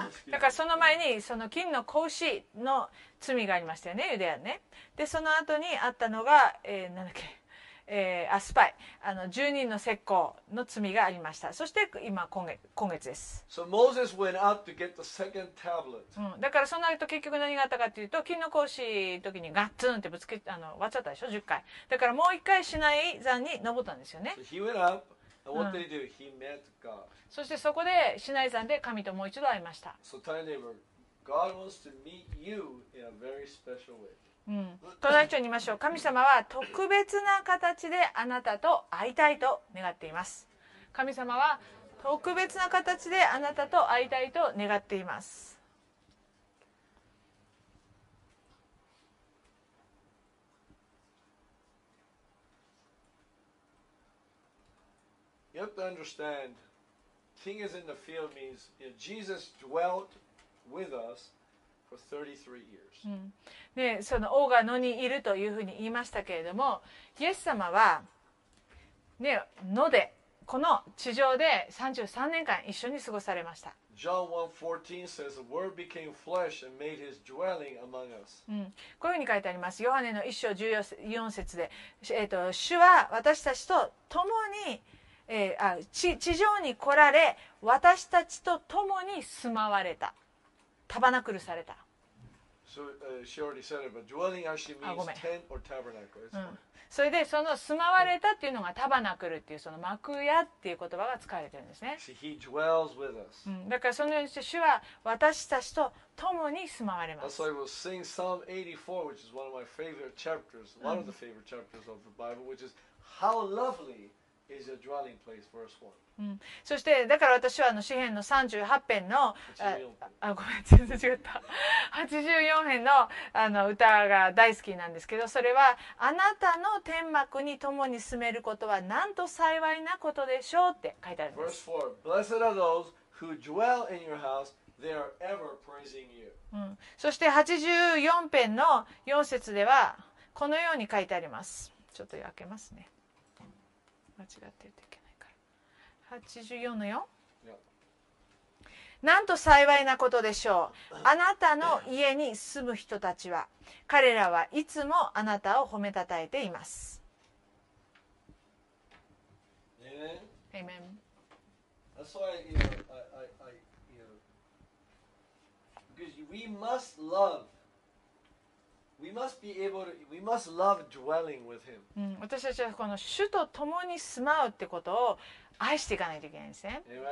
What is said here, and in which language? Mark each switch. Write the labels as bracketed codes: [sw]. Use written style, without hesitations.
[ja] だからその前にその金の子牛の罪がありましたよね、ユダヤね。でその後にあったのが、なんだっけ、アスパイ、あの十人の石膏の罪がありました。そして今月です。 [en] So Moses went out to get the second tablet. [ja] うん、だからその後結局何があったかというと、金の格子の時にガッツンってぶつけ、あの割っちゃったでしょ、十回。だからもう一回シナイ山に登ったんですよね。 [en] So he went up. And what did he do? He met God. [ja] そしてそこでシナイ山で神ともう一度会いました。 [en] So tell your neighbor, God wants to meet you in a very special way. [ja] 隣人に言いましょう。神様は特別な形であなたと会いたいと願っています。神様は特別な形であなたと会いたいと願っています。 [en] You have to understand, King is in the field means you know, Jesus dwelt with us for 33 years.、 [ja] うん、で、その王が野にいるというふうに言いましたけれども、イエス様は、ね、野で、この地上で33年間一緒に過ごされました。 [en] John 1:14 says, The Word became flesh and made his dwelling among us.、 [ja] うん、こういうふうに書いてあります。ヨハネの1章14節で、主は私たちと共に地上に来られ、私たちと共に住まわれた、タバナクルされた。 [en] So, she already said it, but dwelling actually means tent or tabernacle. It's、 [ja] うん、それでその住まわれたっていうのがタバナクルっていうその幕屋っていう言葉が使われてるんですね。 [en] See, he dwells with us.、 [ja] うん、だからそのようにして主は私たちと共に住まわれます。 [en] That's why we'll sing Psalm 84, which is one of my favorite chapters, one of the favorite chapters of the Bible, which is how lovely. Is a dwelling place, verse one. [ja] うん、そしてだから私はあの詩編の38編の84編 の, あの歌が大好きなんですけど、それはあなたの天幕に共に住めることはなんと幸いなことでしょうって書いてあるんです。 [en] Verse 4 Blessed are those who dwell in your house. They are ever praising you.、 [ja] うん、そして84編の4節ではこのように書いてあります。ちょっと開けますね、間違ってるといけないから。 84の4、なんと幸いなことでしょう、あなたの家に住む人たちは、彼らはいつもあなたを褒めたたえています。 [en] Amen. Amen. That's why, you know, I, you know, because we must love. We must be able to, we must love dwelling with him. [ja] 私たちはこの主と共に住まうってことを愛していかないといけないんですね。